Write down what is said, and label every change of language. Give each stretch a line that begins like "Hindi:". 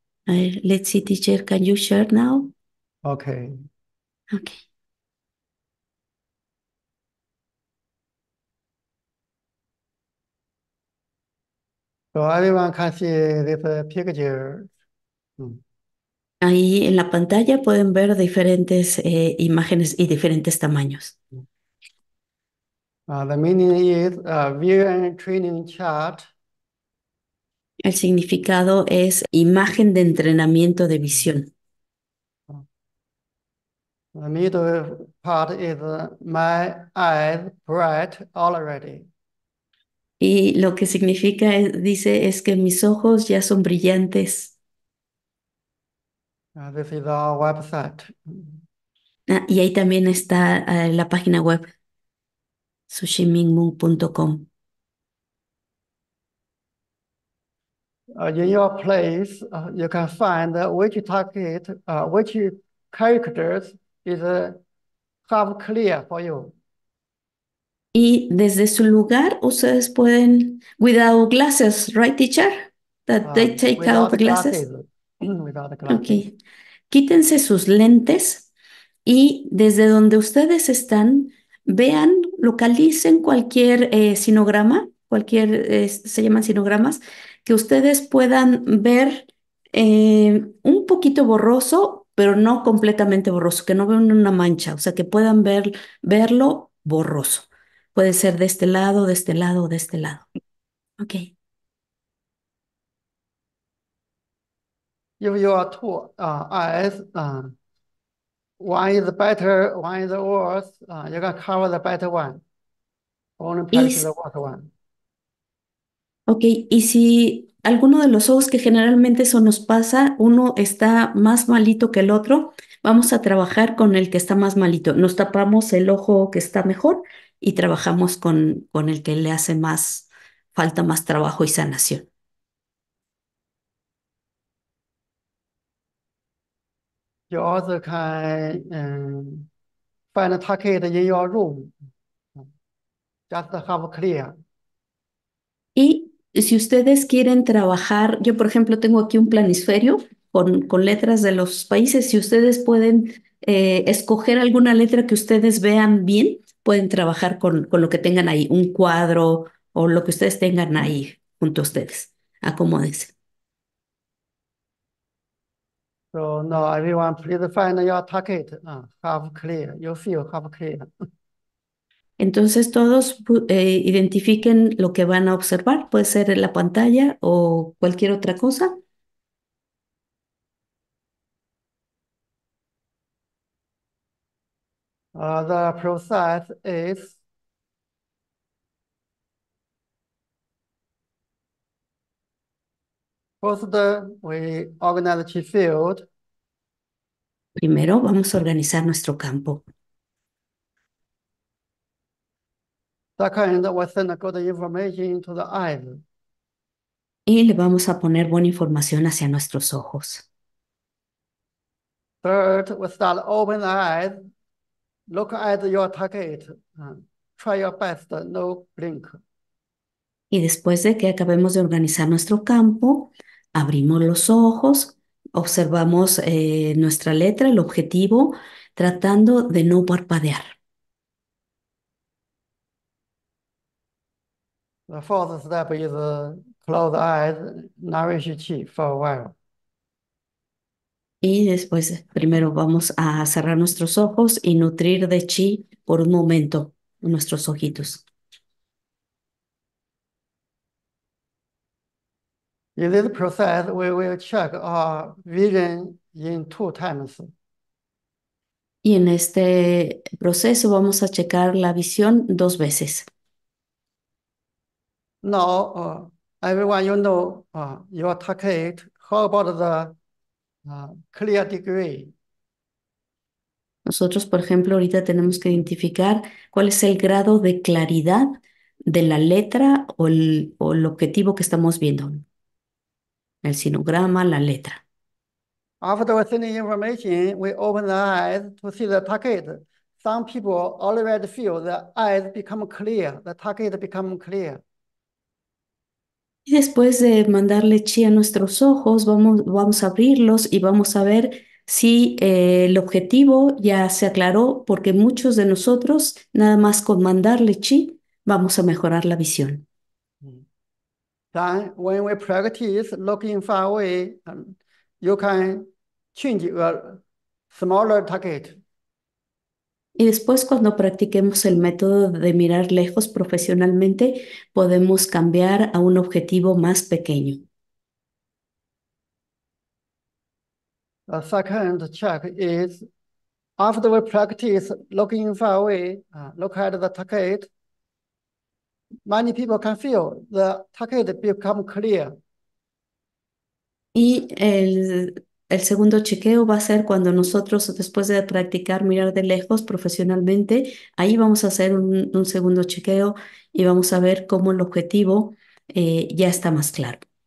Spanish: A ver,
English: let's see, teacher, can you share now? Okay. Okay. So everyone can see this picture.
Spanish: Ahí en la pantalla pueden ver diferentes imágenes y diferentes tamaños.
English: The meaning is a vision training chart.
Spanish: El significado es imagen de entrenamiento de visión.
English: Middle part is my eyes bright already.
Spanish: Y lo que significa, dice, es que mis ojos ya son brillantes.
English: This is our website.
Spanish: Ah, y ahí también está la página web, sushimingmoon.com.
English: In your place, you can find which target, which characters is have clear for you.
Spanish: Y desde su lugar, ustedes pueden,
English: without glasses, right, teacher? That they take out the glasses. Without glasses.
Spanish: Okay. Quítense sus lentes. Y desde donde ustedes están, vean, localicen cualquier sinograma, cualquier, se llaman sinogramas, que ustedes puedan ver un poquito borroso, pero no completamente borroso, que no vean una mancha, o sea, que puedan verlo borroso. Puede ser de este lado, de este lado, de este lado. Ok.
English: If you are two eyes, one is better, one is worse, you can cover the better one. Only practice the worse one.
Spanish: Okay, y si alguno de los ojos que generalmente eso nos pasa, uno está más malito que el otro, vamos a trabajar con el que está más malito. Nos tapamos el ojo que está mejor y trabajamos con el que le hace más falta, más trabajo y sanación.
English: You also can find a target in your room. Just have clear.
Spanish: Si ustedes quieren trabajar, yo por ejemplo tengo aquí un planisferio con letras de los países. Si ustedes pueden escoger alguna letra que ustedes vean bien, pueden trabajar con lo que tengan ahí, un cuadro o lo que ustedes tengan ahí junto a ustedes. Acomódense.
English: So now everyone, please find your target. Have clear. You feel have clear.
Spanish: Entonces todos identifiquen lo que van a observar, puede ser la pantalla o cualquier otra cosa.
English: The process is first we organize the field.
Spanish: Primero vamos a organizar nuestro campo.
English: Second, we send good information to the eyes.
Spanish: Y le vamos a poner buena información hacia nuestros ojos.
English: Third, we start open eyes. Look at your target. Try your best. No blink.
Spanish: Y después de que acabemos de organizar nuestro campo, abrimos los ojos. Observamos nuestra letra, el objetivo, tratando de no parpadear.
English: The fourth step is close eyes, nourish chi for a while.
Spanish: Y después, primero vamos a cerrar nuestros ojos y nutrir de chi por un momento nuestros ojitos.
English: In this process, we will check our vision in two times.
Spanish: Y en este proceso vamos a checar la visión dos veces.
English: Now, everyone, you know, your target. How about the clear degree?
Spanish: Nosotros, por ejemplo, ahorita tenemos que identificar cuál es el grado de claridad de la letra o el objetivo que estamos viendo. El sinograma, la letra.
English: After we send the information, we open the eyes to see the target. Some people already feel the eyes become clear, the target become clear.
Spanish: Y después de mandarle chi a nuestros ojos, vamos a abrirlos y vamos a ver si el objetivo ya se aclaró, porque muchos de nosotros, nada más con mandarle chi, vamos a mejorar la visión.
English: Then, when we practice looking far away, you can change a smaller target.
Spanish: Y después, cuando practiquemos el método de mirar lejos profesionalmente, podemos cambiar a un objetivo más pequeño.
English: The second check is after we practice looking far away, look at the target. Many people can feel the target become clear.
Spanish: Y el segundo chequeo va a ser cuando nosotros, después de practicar mirar de lejos profesionalmente, ahí vamos a hacer un segundo chequeo y vamos a ver cómo el objetivo ya está más claro.